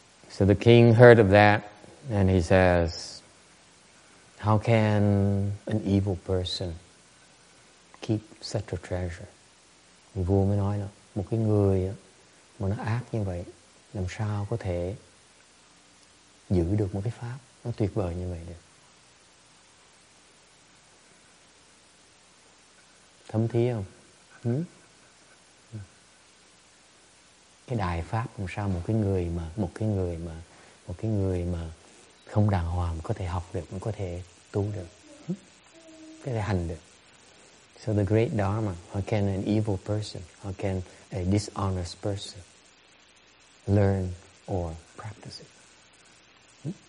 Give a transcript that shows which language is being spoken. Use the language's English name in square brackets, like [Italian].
[English] So the king heard of that, and he says, how can an evil person keep such a treasure? [Vietnamese] Người vua mới nói là một cái người mà nó ác như vậy, làm sao có thể giữ được một cái pháp nó tuyệt vời như vậy được? Thấm thía không? Cái đài pháp làm sao một cái người mà không đàng hoàng có thể học được, cũng có thể tu được, có thể hành được. [English] So the great Dharma, how can an evil person, how can a dishonest person learn or practice it?